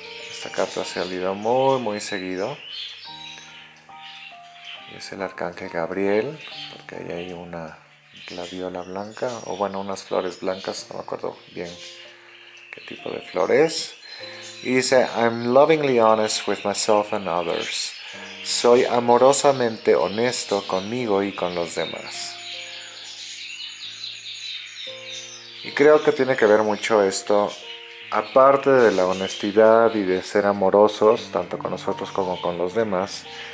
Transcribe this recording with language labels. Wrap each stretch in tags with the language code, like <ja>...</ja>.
<es>Esta carta se ha leído muy, muy seguido. Es el arcángel Gabriel, porque ahí hay una gladiola blanca, o bueno, unas flores blancas, no me acuerdo bien qué tipo de flores. Y dice:</es> <en>I'm lovingly honest with myself and others.</en> <es>Soy amorosamente honesto conmigo y con los demás. Y creo que tiene que ver mucho esto, aparte de la honestidad y de ser amorosos, tanto con nosotros como con los demás.</es>